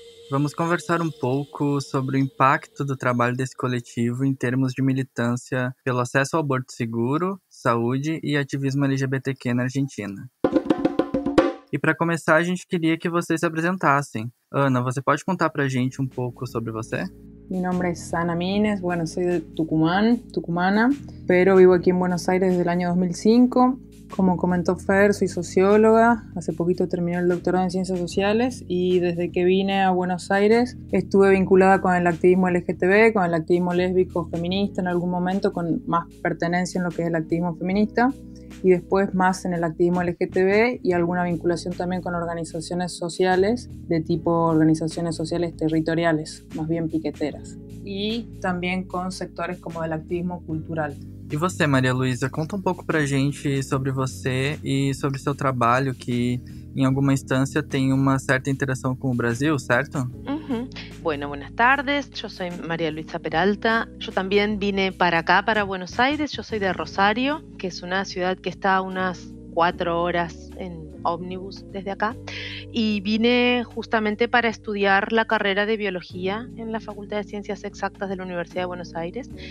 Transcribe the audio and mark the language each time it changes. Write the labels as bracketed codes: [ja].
[pt] Vamos conversar um pouco sobre o impacto do trabalho desse coletivo em termos de militância pelo acesso ao aborto seguro, saúde e ativismo LGBTQ na Argentina. E para começar, a gente queria que vocês se apresentassem. Ana, você pode contar para a gente um pouco sobre você? Meu nome é Ana Mines, bueno, sou de Tucumana, pero vivo aqui em Buenos Aires desde o ano 2005. [es] Como comentó Fer, soy socióloga, hace poquito terminé el doctorado en Ciencias Sociales y desde que vine a Buenos Aires estuve vinculada con el activismo LGTB, con el activismo lésbico feminista en algún momento, con más pertenencia en lo que es el activismo feminista y después más en el activismo LGTB y alguna vinculación también con organizaciones sociales de tipo organizaciones sociales territoriales, más bien piqueteras, y también con sectores como el activismo cultural. [pt] E você, Maria Luísa, conta um pouco pra gente sobre você e sobre seu trabalho, que em alguma instância tem uma certa interação com o Brasil, certo? [es] Uhum. Bueno, buenas tardes. Yo soy María Luisa Peralta. Yo también vine para acá, para Buenos Aires. Yo soy de Rosario, que es una ciudad que está a unas 4 horas en ómnibus desde acá. Y vine justamente para estudiar la carrera de biología en la Facultad de Ciencias Exactas de la Universidad de Buenos Aires.